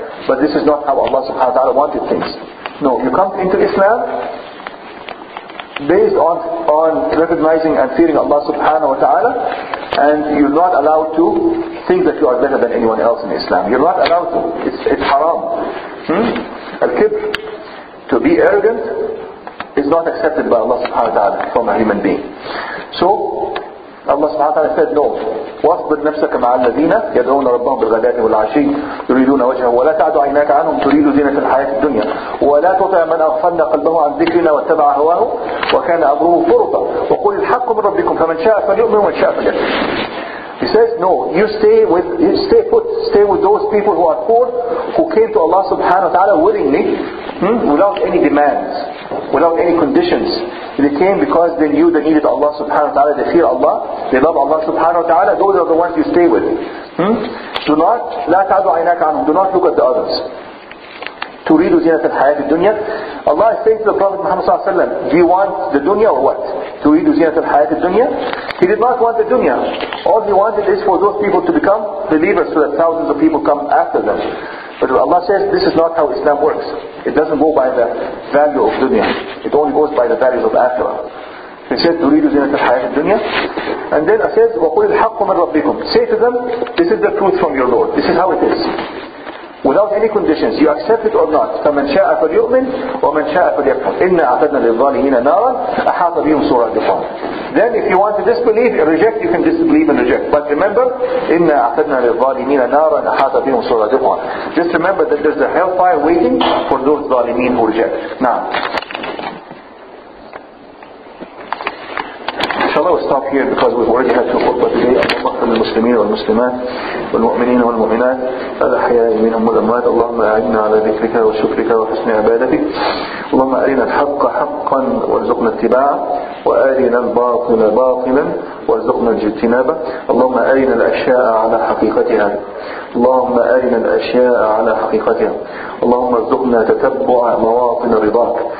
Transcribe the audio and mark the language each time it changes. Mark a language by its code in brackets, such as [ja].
[en] But this is not how Allah subhanahu wa ta'ala wanted things. No, you come into Islam based on recognizing and fearing Allah subhanahu wa ta'ala, and you're not allowed to think that you are better than anyone else in Islam. You're not allowed to. It's haram. Al-kibr, to be arrogant, is not accepted by Allah subhanahu wa ta'ala from a human being. So Allah subhanahu wa ta'ala said, no, [ar] وَاصْبِرْ نَفْسَكَ مَعَ الَّذِينَ يَدْعُونَ رَبَّهُمْ بِالْغَدَاةِ وَالْعَشِيِّ يُرِيدُونَ وَجْهَهُ وَلَا تَعْدُ عَيْنَاكَ عَنْهُمْ تُرِيدُ زِينَةَ الْحَيَاةِ الدُّنْيَا وَلَا تُطِعْ مَنْ أَغْفَلْنَا قَلْبَهُ عَنْ ذِكْرِنَا وَاتَّبَعَ هَوَاهُ وَكَانَ أَمْرُهُ فُرُطًا وَقُلِ الْحَقُّ مِنْ رَبِّكُمْ فَمَنْ شَاءَ فَلْيُؤْمِنْ وَمَنْ شَاءَ فَلْيَكْفُرْ. [en] He says, no, you stay with those people who are poor, who came to Allah subhanahu wa ta'ala willingly, without any demands, without any conditions. They came because they knew the need of Allah subhanahu wa ta'ala, they fear Allah, they love Allah subhanahu wa ta'ala, those are the ones you stay with. Do not, [ar] لا تعدوا عينك عنهم, [en] do not look at the others. [ar] تُرِيدُ زِينَةَ الْحَيَاةِ الدُّنْيَا. [en] Allah is saying to the Prophet Muhammad sallallahu alaihi wasallam, do you want the dunya or what? [ar] تُرِيدُ زِينَةَ الْحَيَاةِ الدُّنْيَا. [en] He did not want the dunya. All he wanted is for those people to become believers so that thousands of people come after them. But Allah says, this is not how Islam works. It doesn't go by the value of dunya. It only goes by the values of akhirah. He said, [ar] تُرِيدُ زِينَةَ الْحَيَاةِ الدُّنْيَا. [en] And then Allah says, [ar] وَقُلِ الْحَقُّ مِنْ رَبِّكُمْ. [en] Say to them, this is the truth from your Lord. This is how it is. Without any conditions, you accept it or not. [ar] فَمَنْ شَاءَ فَلْيُؤْمِنْ وَمَنْ شَاءَ فَلْيَكْفُرْ إِنَّا أَعْتَدْنَا لِلظَّالِمِينَ نَارًا أَحَاطَ بِهِمْ سُرَادِقُهَا. [en] Then if you want to disbelieve, reject, you can disbelieve and reject. But remember, [ar] إِنَّا أَعْتَدْنَا لِلظَّالِمِينَ نَارًا أَحَاطَ بِهِمْ سُرَادِقُهَا. [en] Just remember that there's a hellfire waiting for those ظالمين who reject. Now, inshallah, we'll stop here because we've already had two khutbah today. [ar] اللهم اغفر للمسلمين والمسلمات والمؤمنين والمؤمنات الأحياء منهم والأموات. اللهم أعنا على ذكرك وشكرك وحسن عبادتك. اللهم أرنا الحق حقا وارزقنا اتباعه, وأرنا الباطل باطلا وارزقنا اجتنابه. اللهم أرنا الأشياء على حقيقتها, اللهم أرنا الأشياء على حقيقتها, اللهم ارزقنا تتبع مواطن رضاك.